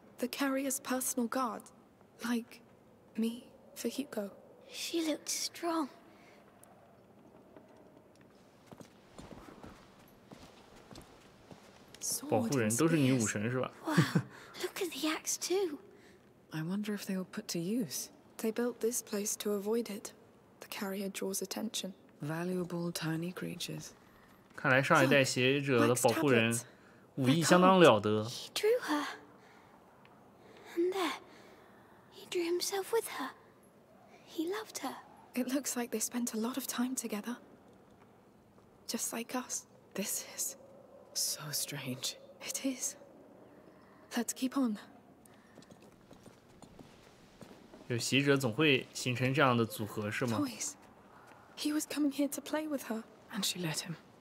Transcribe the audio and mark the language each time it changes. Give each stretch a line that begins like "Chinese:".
English: The carrier's personal guard. Like me for Hugo. She looked strong.
Chinese: 保护人都是女武神是吧？
English: Wow, look at the axe too. I wonder if they were put to use. They built this place to avoid it. The carrier draws attention. Valuable tiny creatures.
Chinese: 看来上一代携者的保护人武艺相当了得。
English: He drew her. And there, he drew himself with her. He loved her. It looks like they spent a lot of time together. Just like us. This is. So strange. It is. Let's keep on.
Chinese: 有习者总会形成这样的组合是吗
English: ？Toys. He was coming here to play with her, and she let him.